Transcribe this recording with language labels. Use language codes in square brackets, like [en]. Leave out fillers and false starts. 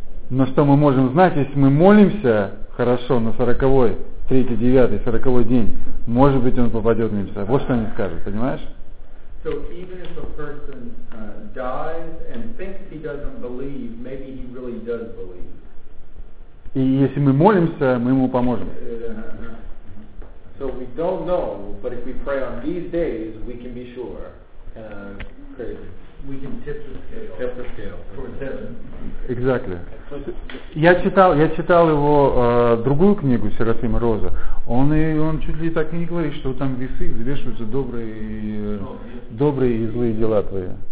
[ru] Но что мы можем знать, если мы молимся хорошо на 40-й, 3-й, 9-й, 40-й день, может быть, он попадет в небеса. Вот что они скажут, понимаешь? [en] So even if a person dies and thinks he doesn't believe, maybe he really does believe. [ru] И если мы молимся, мы ему поможем. [en] So we don't know, but if we pray on these days, we can be sure. We can tip the scale. Tip the scale towards heaven. Exactly. [ru] Я читал его другую книгу Серафима Роза. Он чуть ли так и не говорит, что там весы взвешиваются добрые и злые дела твои.